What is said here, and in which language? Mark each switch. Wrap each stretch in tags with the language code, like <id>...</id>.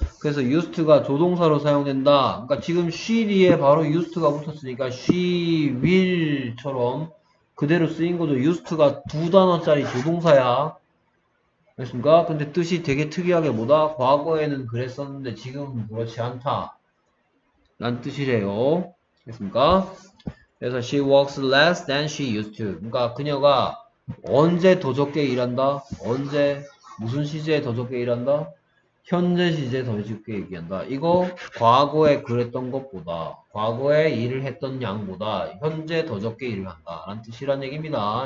<ko>그래서 used가 조동사로 사용된다. 그러니까 지금 she 뒤에 바로 used가 붙었으니까</ko> <en>she will</en> <ko>처럼 그대로 쓰인 거죠. used가 두 단어짜리 조동사야. 됐습니까? 근데 뜻이 되게 특이하게 뭐다? 과거에는 그랬었는데 지금은 그렇지 않다. 란 뜻이래요. 됐습니까? 그래서</ko> <en>she works less than she used to.</en> <ko>그러니까 그녀가 언제 더 적게 일한다? 언제? 무슨 시제에 더 적게 일한다? 현재 시제에 더 적게 얘기한다. 이거 과거에 그랬던 것보다, 과거에 일을 했던 양보다 현재 더 적게 일을 한다라는 뜻이란 얘기입니다.</ko>